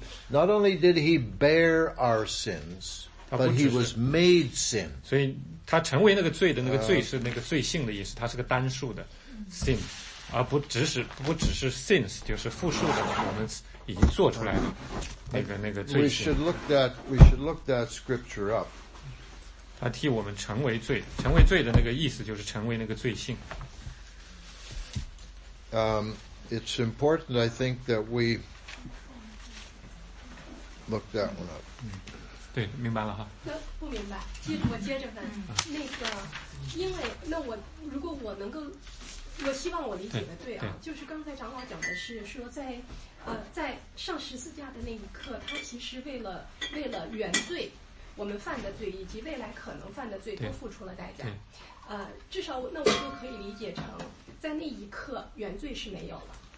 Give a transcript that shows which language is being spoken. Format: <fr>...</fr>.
<en>Not only did he bear our sins, but he was made sin.</en> <zh>所以他成为那个罪的那个罪是那个罪性的意思，他是个单数的 sin, 而不只是 sins, 就是复数的我们已经做出来的那个罪性。</zh> <en>We should look that scripture up.</en> <zh>他替我们成为罪，成为罪的那个意思就是成为那个罪性。</zh> <en>It's important, I think, that we look that one up.</en> <zh>对，明白了哈。我明白，我接着问，那个，因为那我如果我能够，我希望我理解的对啊，就是刚才长老讲的是说在，在上十字架的那一刻，他其实为了原罪，我们犯的罪以及未来可能犯的罪都付出了代价，至少那我就可以理解成，在那一刻原罪是没有了。</zh>